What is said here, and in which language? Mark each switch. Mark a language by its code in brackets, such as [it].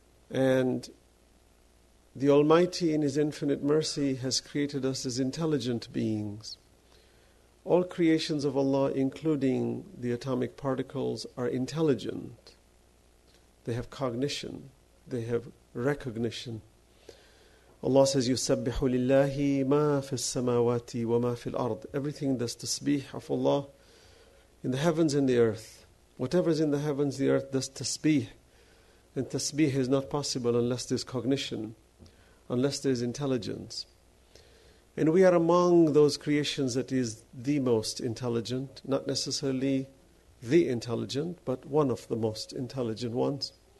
[en] And the Almighty, in His infinite mercy, has created us as intelligent beings. All creations of Allah, including the atomic particles, are intelligent. They have cognition. They have recognition. Allah says, [ar] يُسَبِّحُ لِلَّهِ مَا فِي السَّمَاوَاتِ وَمَا فِي الْأَرْضِ. [en] Everything that's the tasbih of Allah in the heavens and the earth. Whatever is in the heavens, the earth, that's tasbih. And tasbih is not possible unless there's cognition, unless there's intelligence. And we are among those creations that is the most intelligent, not necessarily the intelligent, but one of the most intelligent ones.